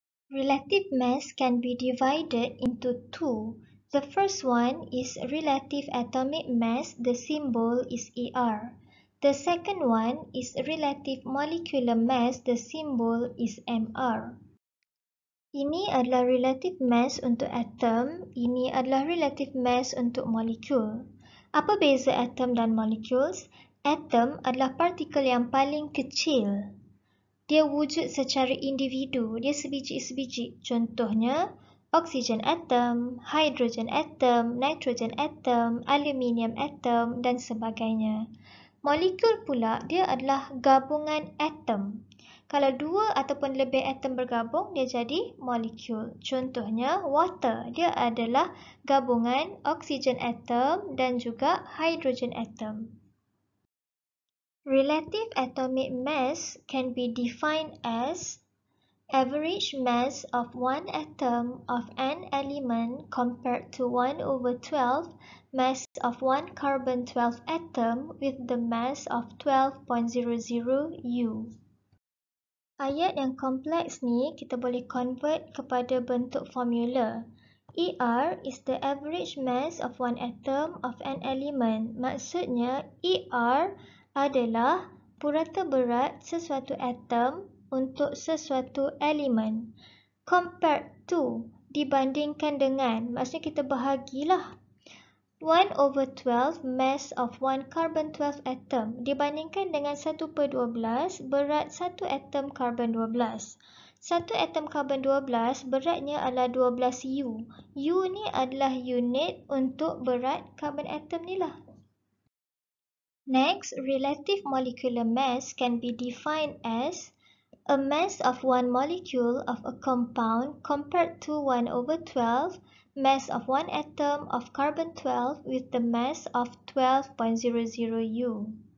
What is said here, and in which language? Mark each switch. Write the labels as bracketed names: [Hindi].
[English] Relative mass can be divided into two. The first one is relative atomic mass, the symbol is AR. The second one is relative molecular mass, the symbol is MR. [Malay] Ini adalah relative mass untuk atom, ini adalah relative mass untuk molekul. Apa beza atom dan molecules? Atom adalah partikel yang paling kecil. Dia wujud secara individu, dia sebiji-sebiji. Contohnya, oksigen atom, hidrogen atom, nitrogen atom, aluminium atom dan sebagainya. Molekul pula, dia adalah gabungan atom. Kalau dua ataupun lebih atom bergabung, dia jadi molekul. Contohnya, water, dia adalah gabungan oksigen atom dan juga hidrogen atom. [English] Relative atomic mass can be defined as average mass of one atom of an element compared to 1 over 12 mass of one carbon 12 atom with the mass of 12.00 U. [Malay] Ayat yang kompleks ni kita boleh convert kepada bentuk formula. [English] ER is the average mass of one atom of an element. [Malay] Maksudnya ER adalah purata berat sesuatu atom untuk sesuatu elemen. [English] Compared to, [Malay] dibandingkan dengan, maksudnya kita bahagilah. [English] 1 over 12 mass of 1 carbon 12 atom [Malay] dibandingkan dengan 1/12 berat 1 atom carbon 12. 1 atom carbon 12 beratnya adalah 12 U. U ni adalah unit untuk berat carbon atom ni lah. [English] Next, relative molecular mass can be defined as a mass of one molecule of a compound compared to 1 over 12 mass of one atom of carbon 12 with the mass of 12.00 U.